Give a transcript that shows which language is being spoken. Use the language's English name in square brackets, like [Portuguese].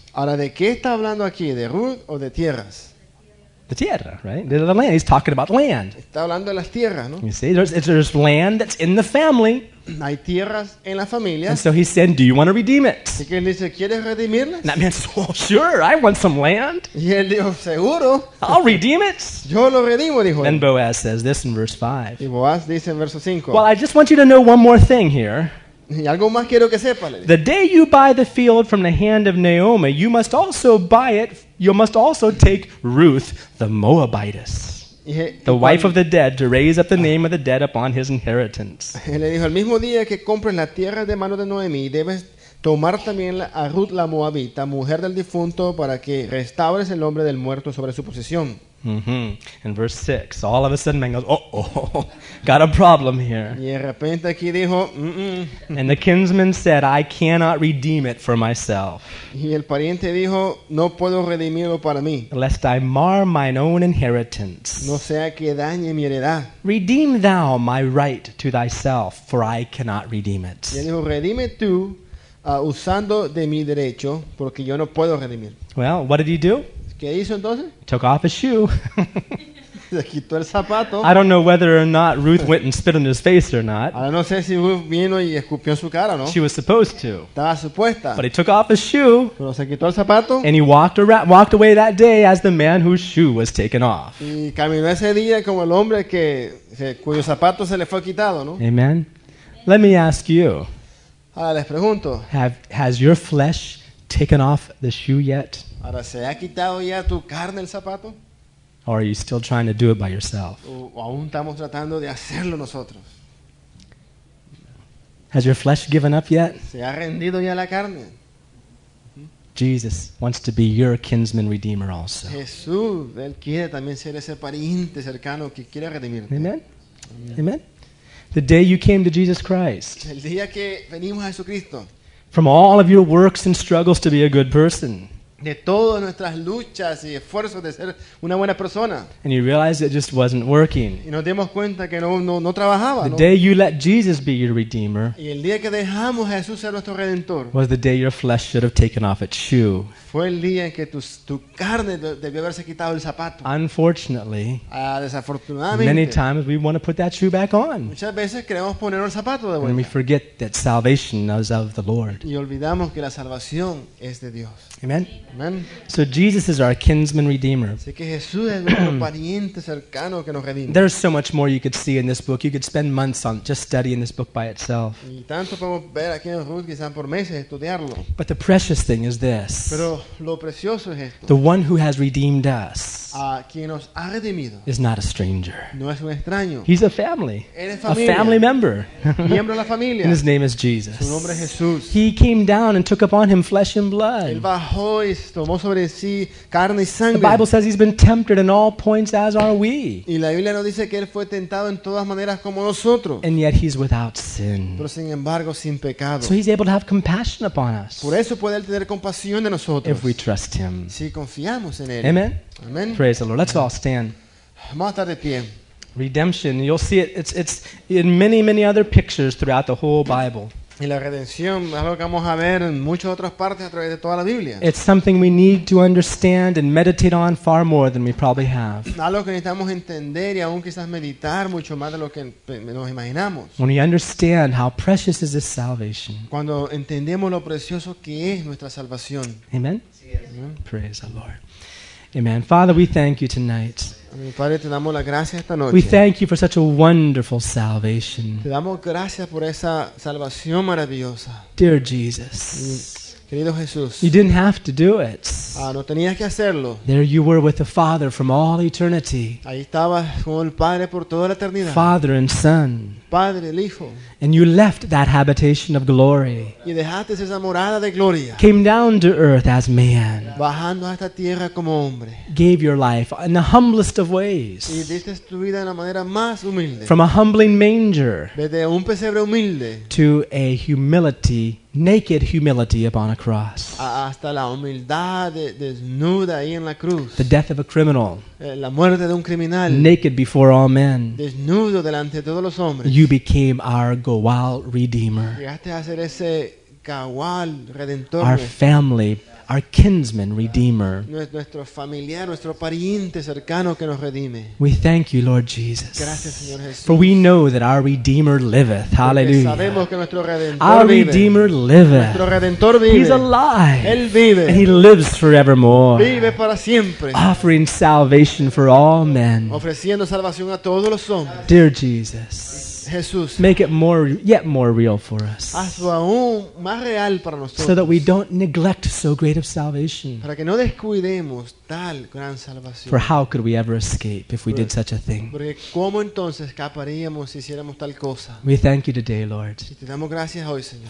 [Spanish] Ahora, ¿de qué está hablando aquí? ¿De Ruth o de tierras? [English] The tierra, right? The land. He's talking about land. [Spanish] Está hablando de las tierras, ¿no? [English] You see, there's land that's in the family. [Spanish] Hay tierras en la familia. [English] And so he said, do you want to redeem it? [Spanish] Y que él dice, ¿quieres redimirlas? [English] And that man says, well, sure, I want some land. [Spanish] Y él dijo, ¿seguro? [English] I'll redeem it. [Spanish] Yo lo redimo, dijo él. [English] And Boaz says this in verse 5. [Spanish] Y Boaz dice en verso 5. [English] Well, I just want you to know one more thing here. [Spanish] Y algo más quiero que sepa, le dice. [English] The day you buy the field from the hand of Naomi, you must also buy it, you must also take Ruth, the Moabitess, the wife of the dead, to raise up the name of the dead upon his inheritance. [Spanish] Y le dijo, el mismo día que compres la tierra de mano de Naomi, debes tomar también a Ruth la Moabita, mujer del difunto, para que restaures el nombre del muerto sobre su posesión. Mm-hmm. [English] In verse 6, all of a sudden man goes, oh, got a problem here. [Spanish] Y de repente aquí dijo, [English] And the kinsman said, I cannot redeem it for myself. [Spanish] Y el pariente dijo, no puedo redimirlo para mí. [English] Lest I mar mine own inheritance. [Spanish] No sea que dañe mi heredad. [English] Redeem thou my right to thyself, for I cannot redeem it. [Spanish] Y él dijo, redime tú. Usando de mi derecho, porque yo no puedo redimir. [English] Well, what did he do? [Spanish] ¿Qué hizo entonces? [English] Took off his shoe. [Spanish] Se quitó el zapato. [English] I don't know whether or not Ruth went and spit in his face or not. [Spanish] Ahora no sé si Ruth vino y escupió en su cara, ¿no? [English] She was supposed to. [Spanish] Estaba supuesta. [English] But he took off his shoe. [Spanish] Pero se quitó el zapato. [English] And he walked away that day as the man whose shoe was taken off. [Spanish] Y caminó ese día como el hombre cuyo zapato se le fue quitado, ¿no? [English] Amen. Let me ask you. [Spanish] Ahora les pregunto, [English] has your flesh taken off the shoe yet? [Spanish] Ahora, ¿se ha quitado ya tu carne el zapato? [English] Or are you still trying to do it by yourself? [Spanish] O aún estamos tratando de hacerlo nosotros. [English] Has your flesh given up yet? [Spanish] ¿Se ha rendido ya la carne? [English] Jesus wants to be your kinsman redeemer also. [Spanish] Jesús, él quiere también ser ese pariente cercano que quiere redimirte. Amen. Amen. Amen. [English] The day you came to Jesus Christ. [Spanish] El día que venimos a Jesucristo. [English] From all of your works and struggles to be a good person. [Spanish] de todas nuestras luchas y esfuerzos de ser una buena persona. [English] And you realize it just wasn't working. [Spanish] Y nos dimos cuenta que no trabajaba. [English] The day you let Jesus be your redeemer. [Spanish] Y el día que dejamos a Jesús ser nuestro redentor. [English] Was the day your flesh should have taken off its shoe. [Spanish] Fue el día en que tu carne debió haberse quitado el zapato. [English] Unfortunately. [Spanish] Desafortunadamente. [English] Many times we want to put that shoe back on. [Spanish] Muchas veces queremos poner el zapato de vuelta. [English] And we forget that salvation is of the Lord. [Spanish] Y olvidamos que la salvación es de Dios. Amen. Amen. [English] So Jesus is our kinsman redeemer. [Spanish] Así que Jesús es nuestro pariente cercano que nos redime. [English] There's so much more you could see in this book. You could spend months on just studying this book by itself. [Spanish] Y tanto podemos ver aquí en Ruth, quizás por meses estudiarlo. [English] But the precious thing is this. [Spanish] Pero lo precioso es esto. [English] The one who has redeemed us. [Spanish] Quien nos ha redimido. [English] Is not a stranger. [Spanish] No es un extraño. [English] He's a family. [Spanish] Él es familia. [English] A family member. [Spanish] Miembro de la familia. [English] And his name is Jesus. [Spanish] Su nombre es Jesús. [English] He came down and took upon him flesh and blood. [Spanish] Él bajó y tomó sobre sí carne y sangre. [English] The Bible says he's been tempted in all points as are we. [Spanish] Y la Biblia nos dice que él fue tentado en todas maneras como nosotros. [English] And yet he's without sin. [Spanish] Pero sin embargo sin pecado. [English] So he's able to have compassion upon us. [Spanish] Por eso puede él tener compasión de nosotros. [English] If we trust him. [Spanish] Si confiamos en él. Amen. Amen. [English] Praise the Lord. Let's all stand. [Spanish] Vamos a estar de pie. [English] Redemption. You'll see it. It's in many, many other pictures throughout the whole Bible. [Spanish] Y la redención es algo que vamos a ver en muchas otras partes a través de toda la Biblia. [English] It's something we need to understand and meditate on far more than we probably have. [Spanish] Algo que necesitamos entender y aún quizás meditar mucho más de lo que nos imaginamos. [English] When we understand how precious is this salvation. [Spanish] Cuando entendemos lo precioso que es nuestra salvación. [English] Amen. Praise the Lord. Amen. Father, we thank you tonight. [Spanish] Padre, te damos las gracias esta noche. [English] We thank you for such a wonderful salvation. [Spanish] Te damos gracias por esa salvación maravillosa. [English] Dear Jesus. [Spanish] Querido Jesús. [English] You didn't have to do it. [Spanish] No tenías que hacerlo. [English] There you were with the Father from all eternity. [Spanish] Ahí estabas con el Padre por toda la eternidad. [English] Father and Son. [Spanish] Padre, el Hijo. [English] And you left that habitation of glory. [Spanish] Y dejaste esa morada de gloria. [English] Came down to earth as man. [Spanish] Bajando a esta tierra como hombre. [English] Gave your life in the humblest of ways. [Spanish] Y diste tu vida en la manera más humilde. [English] From a humbling manger. [Spanish] Desde un pesebre humilde. [English] To a humility, naked humility upon a cross. [Spanish] Hasta la humildad desnuda ahí en la cruz. [English] The death of a criminal. [Spanish] La muerte de un criminal. [English] Naked before all men. [Spanish] Desnudo delante de todos los hombres. [English] You became our Goal Redeemer. [Spanish] Llegaste a ser ese Goal Redentor. [English] Our family, our kinsman Redeemer. [Spanish] Nuestro familiar, nuestro pariente cercano que nos redime. [English] We thank you, Lord Jesus. [Spanish] Gracias, Señor Jesús. [English] For we know that our Redeemer liveth. Hallelujah. [Spanish] Porque sabemos que nuestro Redentor [English] our [Spanish] vive. [English] Our Redeemer liveth. [Spanish] Nuestro Redentor vive. [English] He's alive. [Spanish] Él vive. [English] And he lives forevermore. [Spanish] Vive para siempre. [English] Offering salvation for all men. [Spanish] Ofreciendo salvación a todos los hombres. [English] Dear Jesus. [Spanish] Jesús, [English] make it more, yet more real for us. [Spanish] Hazlo aún más real para nosotros. [English] So that we don't neglect so great of salvation. [Spanish] Para que no descuidemos tal gran salvación. [English] For how could we ever escape if we did such a thing? [Spanish] Porque ¿cómo entonces escaparíamos si hiciéramos tal cosa? [English] We thank you today, Lord. [Spanish] Y te damos gracias hoy, Señor.